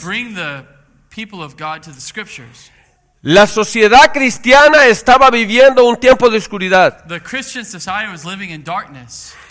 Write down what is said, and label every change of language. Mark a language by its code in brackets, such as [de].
[en] To bring the people of God to the scriptures. [es] La sociedad cristiana estaba viviendo un tiempo de oscuridad. [en] The Christian society was living in darkness.